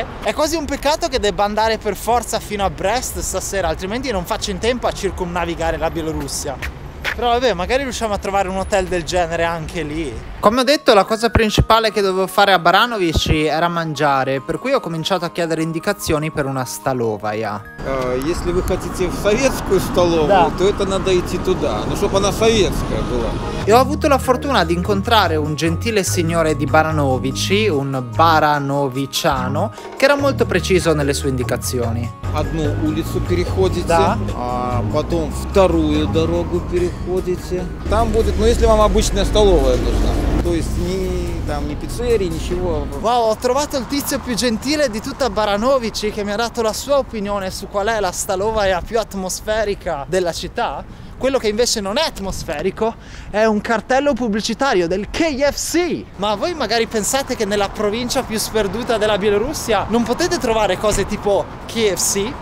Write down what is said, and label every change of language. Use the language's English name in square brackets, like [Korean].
[Italian] È quasi un peccato che debba andare per forza fino a Brest stasera, altrimenti non faccio in tempo a circumnavigare la Bielorussia. Però vabbè, magari riusciamo a trovare un hotel del genere anche lì. Come ho detto, la cosa principale che dovevo fare a Baranovici era mangiare, per cui ho cominciato a chiedere indicazioni per una stalovaia. [Russian] Если вы хотите в советскую столовую, то это надо идти туда, но чтобы она советская была. [Italian] E ho avuto la fortuna di incontrare un gentile signore di Baranovici, un baranoviciano, che era molto preciso nelle sue indicazioni. [Russian] Одну улицу переходите, да. Потом вторую дорогу переходите. Там будет, ну если вам обычная столовая нужна. То есть не там не пиццерии, ничего. [Italian] Wow, ho trovato il tizio più gentile di tutta Baranovici che mi ha dato la sua opinione su qual è la stalovaia più atmosferica della città. Quello che invece non è atmosferico è un cartello pubblicitario del KFC. Ma voi magari pensate che nella provincia più sperduta della Bielorussia non potete trovare cose tipo KFC?